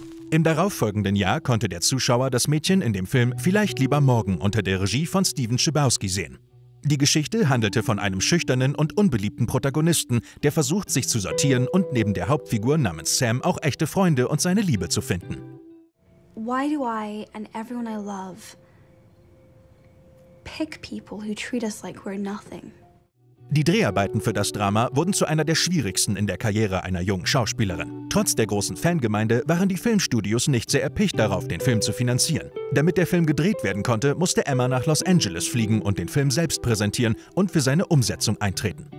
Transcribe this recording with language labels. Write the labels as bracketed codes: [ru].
[de] Im darauffolgenden Jahr konnte der Zuschauer das Mädchen in dem Film Vielleicht lieber morgen unter der Regie von Steven Chbosky sehen. Die Geschichte handelte von einem schüchternen und unbeliebten Protagonisten, der versucht, sich zu sortieren und neben der Hauptfigur namens Sam auch echte Freunde und seine Liebe zu finden. [en] Why do I and everyone I love pick people who treat us like we're nothing? [de] Die Dreharbeiten für das Drama wurden zu einer der schwierigsten in der Karriere einer jungen Schauspielerin. Trotz der großen Fangemeinde waren die Filmstudios nicht sehr erpicht darauf, den Film zu finanzieren. Damit der Film gedreht werden konnte, musste Emma nach Los Angeles fliegen und den Film selbst präsentieren und für seine Umsetzung eintreten.